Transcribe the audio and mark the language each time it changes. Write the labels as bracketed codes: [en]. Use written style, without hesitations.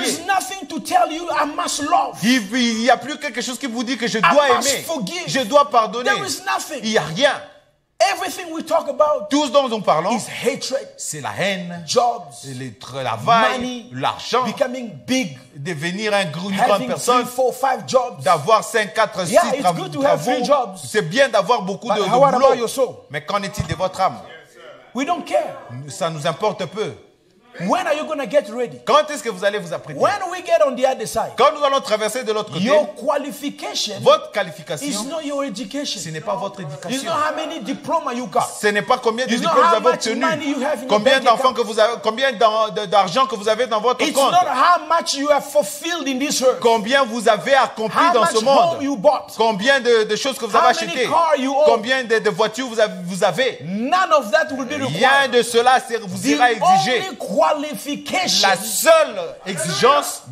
[en] There is nothing to tell you I must love. [fr] Il y a plus quelque chose qui vous dit que je [en] I [fr] dois [en] must [fr] aimer. [en] Forgive. [fr] Je dois pardonner. [en] There is nothing. [fr] Il y a rien. [en] Everything we talk about. [fr] Tout ce dont nous parlons. [en] Is hatred. [fr] C'est la haine. [en] Jobs. [fr] Le travail. [en] Money. [fr] L'argent. [en] Becoming big. [fr] Devenir un gros, une [en] having [fr] grande personne. [en] Having 3, 4, 5 jobs. [fr] D'avoir 5, 4, 6 [en] travaux. Yeah, it's good to have 3 jobs. [fr] C'est bien d'avoir beaucoup [en] but [fr] de boulot. [en] But how about your soul? [fr] Mais qu'en est-il de votre âme? [en] We don't care. [fr] Ça nous importe peu. [en] When are you going to get ready? [fr] Quand est-ce que vous allez vous apprêter? [en] When we get on the other side. [fr] Quand nous allons traverser de l'autre côté. [en] Your qualification. [fr] Votre qualification. [en] Is not your education. [fr] Ce n'est pas votre éducation. [en] It's not how many diplomas you got. [fr] Ce n'est pas combien de diplômes vous avez obtenu. [en] Money you have in [fr] combien d'enfants que vous avez, combien d'argent que vous avez dans votre [en] it's [fr] compte. [en] It's not how much you have fulfilled in this earth. [fr] Combien vous avez accompli [en] how [fr] dans [en] much [fr] ce monde. [en] Home you bought. [fr] Combien de choses que vous [en] how [fr] avez achetées. Combien de voitures vous avez. [en] None of that will be required. [fr] Rien de cela vous [en] the [fr] ira exigé. [en] Qualification. [fr] La seule exigence,